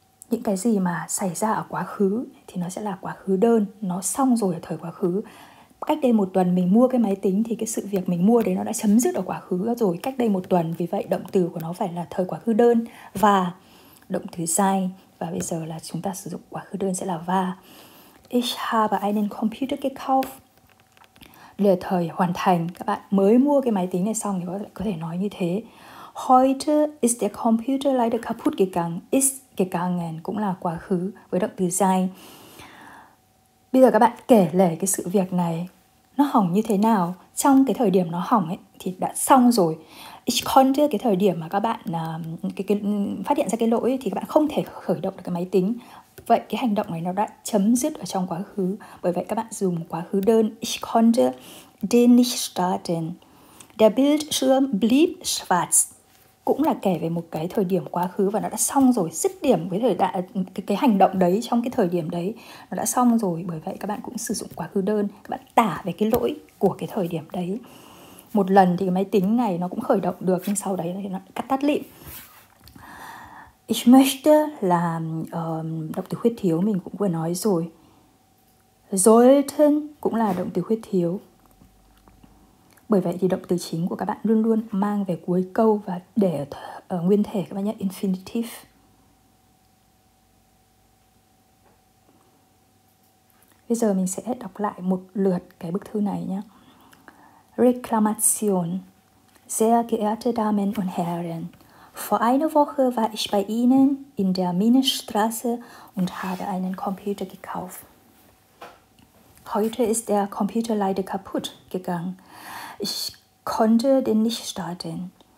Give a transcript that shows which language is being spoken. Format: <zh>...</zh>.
<vi>Những cái gì mà xảy ra ở quá khứ thì nó sẽ là quá khứ đơn. Nó xong rồi ở thời quá khứ. cách đây một tuần mình mua cái máy tính thì cái sự việc mình mua đấy nó đã chấm dứt ở quá khứ rồi, cách đây một tuần. Vì vậy động từ của nó phải là thời quá khứ đơn và động từ sai. Và bây giờ là chúng ta sử dụng quá khứ đơn sẽ là war.</vi> <de>Ich habe einen Computer gekauft.</de> <vi>Đây là thời hoàn thành. Các bạn mới mua cái máy tính này xong thì có thể nói như thế.</vi> <de>Heute ist der Computer leider kaputt gegangen. Ist gegangen</de> <vi>cũng là quá khứ với động từ sein. Bây giờ các bạn kể lể cái sự việc này nó hỏng như thế nào. Trong cái thời điểm nó hỏng ấy thì đã xong rồi.</vi> <de>Ich konnte,</de> <vi>cái thời điểm mà các bạn phát hiện ra cái lỗi thì các bạn không thể khởi động được cái máy tính. Vậy cái hành động này nó đã chấm dứt ở trong quá khứ. Bởi vậy các bạn dùng quá khứ đơn.</vi> <de>Ich konnte den nicht starten. Der Bildschirm blieb schwarz.</de> <vi>Cũng là kể về một cái thời điểm quá khứ và nó đã xong rồi. Dứt điểm với cái hành động đấy trong cái thời điểm đấy. Nó đã xong rồi. Bởi vậy các bạn cũng sử dụng quá khứ đơn. Các bạn tả về cái lỗi của cái thời điểm đấy. Một lần thì cái máy tính này nó cũng khởi động được. Nhưng sau đấy thì nó cắt tắt lịm.</vi> <de>Ich möchte</de> <vi>là động từ khuyết thiếu mình cũng vừa nói rồi. Sollten cũng là động từ khuyết thiếu. Bởi vậy thì động từ chính của các bạn luôn luôn mang về cuối câu và để ở nguyên thể các bạn nhé, infinitive. Bây giờ mình sẽ đọc lại một lượt cái bức thư này nhé.</vi> <de>Reklamation. Sehr geehrte Damen und Herren. Vor einer Woche war ich bei Ihnen in der Minestraße und habe einen Computer gekauft. Heute ist der Computer leider kaputt gegangen. Ich konnte den nicht starten.</de>